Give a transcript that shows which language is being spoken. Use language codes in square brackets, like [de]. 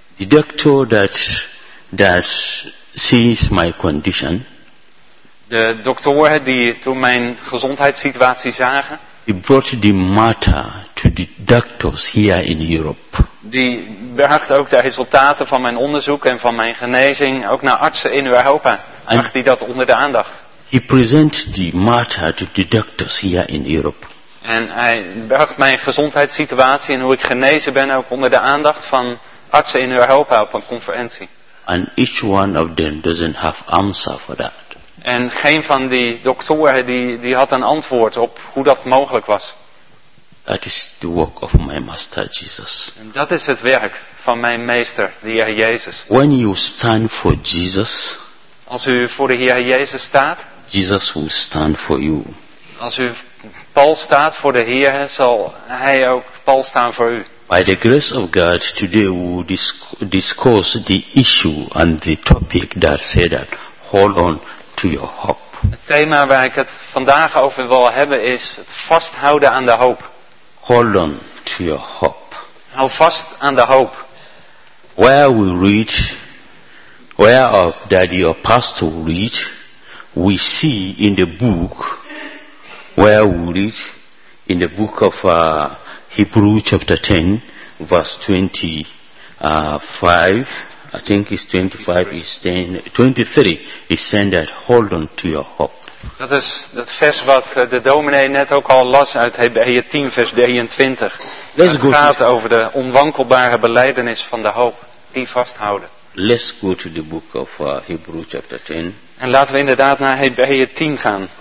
[en] The doctor that sees my condition. [nl] De doktoren die toen mijn gezondheidssituatie zagen. [en] He brought the matter to the doctors here in Europe. [nl] Die bracht ook de resultaten van mijn onderzoek en van mijn genezing ook naar artsen in Europa. Bracht die dat onder de aandacht. [en] He presented the matter to the doctors here in Europe. [nl] En hij bracht mijn gezondheidssituatie en hoe ik genezen ben ook onder de aandacht van artsen in Europa op een conferentie. [en] And each one of them doesn't have answer for that. [nl] En geen van die doktoren die had een antwoord op hoe dat mogelijk was. [en] That is the work of my master Jesus. [nl] En dat is het werk van mijn meester, de Heer Jezus. [en] When you stand for Jesus, [nl] als u voor de Heer Jezus staat, [en] Jesus will stand for you. [nl] Als u pal staat voor de Heer, zal hij ook pal staan voor u. [en] By the grace of God, today we will discuss the issue and the topic that said that hold on. To your hope. [nl] Het thema waar ik het vandaag over wil hebben is het vasthouden aan de hoop. [en] Hold on to your hope. [nl] Hou vast aan de hoop. [en] Where we read, where of that your pastor read, we see in the book, where we read, in the book of Hebrews chapter 10, verse 25. I think it's 25, it's 10, 23, he said that, hold on to your hope. [nl] Dat is dat vers wat de dominee net ook al las uit Hebreeën 10, vers 23. [en] Let's [nl] het gaat over de onwankelbare belijdenis van de hoop, die vasthouden. [en] Let's go to the book of Hebrews chapter 10. [nl] En laten we inderdaad naar Hebreeën 10 gaan.